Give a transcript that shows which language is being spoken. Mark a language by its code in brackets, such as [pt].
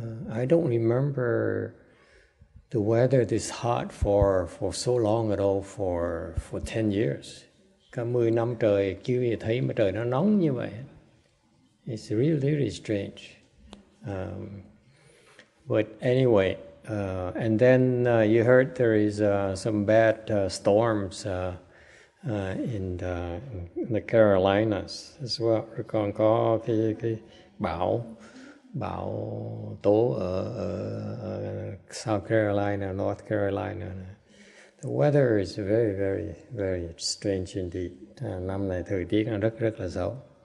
[en] I don't remember the weather this hot for so long at all for 10 years. [vi] Cả 10 năm trời chưa bao giờ thấy mà trời nó nóng như vậy. [en] It's really, really strange. But anyway, and then you heard there is some bad storms in the Carolinas as well. [vi] Rồi còn có cái bão. Bão tố ở South Carolina, North Carolina. [en] The weather is very, very, very strange indeed. [vi] Năm này thời tiết nó rất, rất là xấu.